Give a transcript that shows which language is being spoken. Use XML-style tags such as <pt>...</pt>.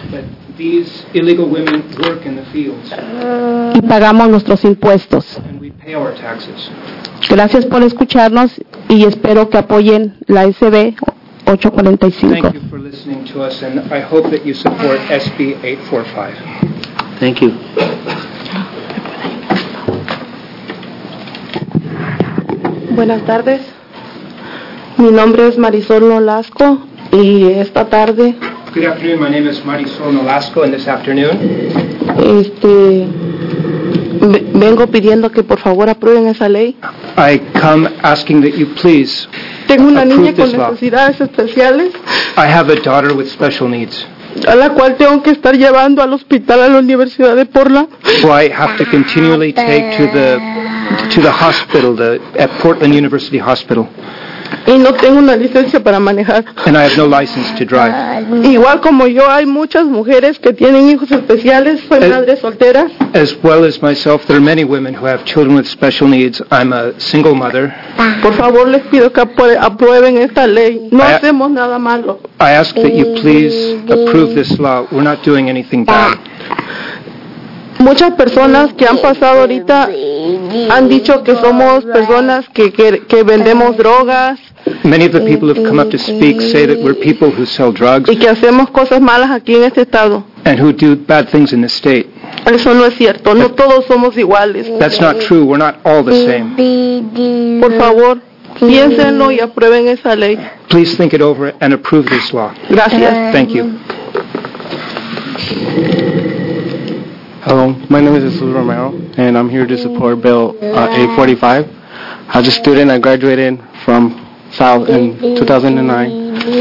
<en>But these illegal women work in the fields.</en> <es>Y pagamos nuestros impuestos.</es> <en>And we pay our taxes.</en> <es>Gracias por escucharnos y espero que apoyen la SB 845.</es> <en>Thank you for listening to us and I hope that you support SB 845. Thank you.</en> <es>Buenas tardes. Mi nombre es Marisol Nolasco y esta tarde...</es> <en>Good afternoon, my name is Marisol Nolasco and this afternoon...</en> <es>Vengo pidiendo que por favor aprueben esa ley.</es> <en>I come asking that you please.</en> <es>Tengo una niña con necesidades especiales.</es> <en>I have a daughter with special needs.</en> <es>A la cual tengo que estar llevando al hospital a la Universidad de Portland.</es> <en>Who I have to continually take to the hospital, at Portland University Hospital.</en> <es>Y no tengo una licencia para manejar.</es> <en>And I have no license to drive.</en> <es>Igual como yo, hay muchas mujeres que tienen hijos especiales, son madres solteras.</es> <en>As well as myself, there are many women who have children with special needs. I'm a single mother.</en> <es>Por favor, les pido que aprueben esta ley. No hacemos nada malo.</es> <en>I ask that you please approve this law. We're not doing anything bad.</en> <es>Muchas personas que han pasado ahorita han dicho que somos personas que vendemos drogas.</es> <en>Many of the people who have come up to speak say that we're people who sell drugs.</en> <es>Y que hacemos cosas malas aquí en este estado.</es> <en>And who do bad things in the state.</en> <es>Eso no es cierto. No todos somos iguales.</es> <en>That's not true. We're not all the same.</en> <es>Por favor, piénsenlo y aprueben esa ley.</es> <en>Please think it over and approve this law.</en> <es>Gracias.</es> <en>Thank you. Hello, my name is Jesus Romero, and I'm here to support Bill 845. As a student, I graduated from South in 2009.</en>